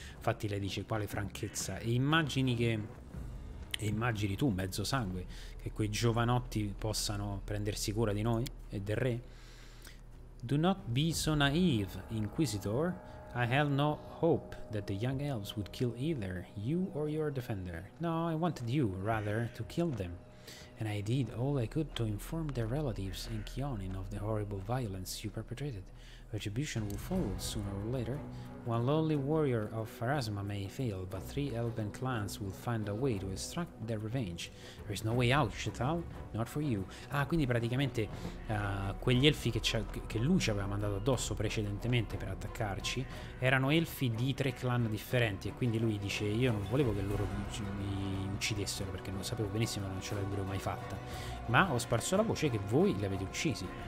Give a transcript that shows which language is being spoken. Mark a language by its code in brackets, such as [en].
[it] Infatti lei dice, quale franchezza. E immagini che, e immagini tu, mezzo sangue, che quei giovanotti possano prendersi cura di noi e del re. [en] Do not be so naive, Inquisitor. I had no hope that the young elves would kill either you or your defender. No, I wanted you, rather, to kill them. And I did all I could to inform their relatives in Kionin of the horrible violence you perpetrated. Retribution will follow sooner or later. One lonely warrior of Farasma may fail, but three elven clans will find a way to extract their revenge. There is no way out, Jethal, not for you. [it] Ah, quindi praticamente quegli elfi che lui ci aveva mandato addosso precedentemente per attaccarci erano elfi di tre clan differenti, e quindi lui dice, io non volevo che loro mi uccidessero perché non sapevo benissimo che non ce l'avrebbero mai fatta, ma ho sparso la voce che voi li avete uccisi.